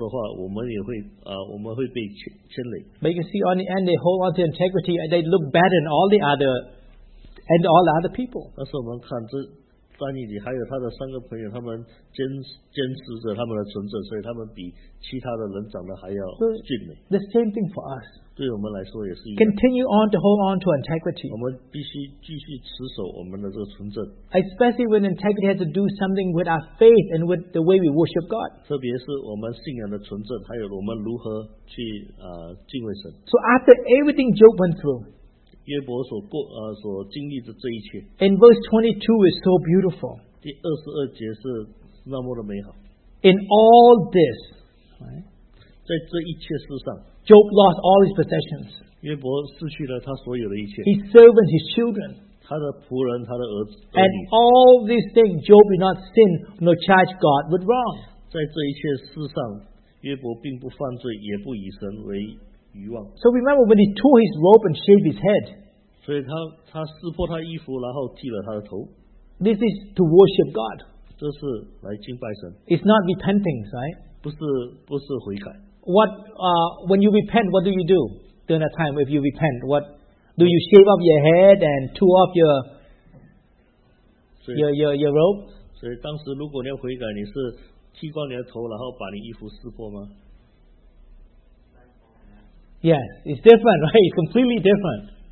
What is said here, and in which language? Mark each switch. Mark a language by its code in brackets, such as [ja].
[zh] 这些准备饭食的人说，如果你不吃王的这些食物，然后吃变成非常的瘦的话，我们会被牵累。 [en] But you can see on the end, they hold on to integrity, and they look better than all the other people. [zh] 但是我们看这。翻译里，还有他的三个朋友，他们坚持着他们的纯正，所以他们比其他的人长得还要俊美。 [en] So, the same thing for us. [zh] 对我们来说也是一样。 [en] Continue on to hold on to integrity. [zh] 我们必须继续持守我们的这个纯正。 [en] Especially when integrity has to do something with our faith and with the way we worship God. [zh] 特别是我们信仰的纯正，还有我们如何去敬畏神。 [en] So after everything Job went through. [zh] 约伯所过所经历的这一切。 [en] In verse 22 is so beautiful. [zh] 第二十二节是那么的美好。 [en] In all this, [zh] 在这一切事上 [en] ，Job lost all his possessions. [zh] 约伯失去了他所有的一切。 [en] His servants, his children, [zh] 他的仆人，他的儿子。 [en] And all these things, Job did not sin nor charge God with wrong. [zh] 在这一切事上，约伯并不犯罪，也不以神为。 [en] So remember when he tore his robe and shaved his head. [zh] 所以他撕破他衣服，然后剃了他的头。 [en] This is to worship God. [zh] 这是来敬拜神。 [en] It's not repenting, right? [zh] 不是悔改。 [en] What when you repent, what do you do during that time? If you repent, what do you shave off your head and tore off your robe? [zh] 所以当时如果你要悔改，你是剃光你的头，然后把你衣服撕破吗？ [en] Yes, it's different, right? It's completely different.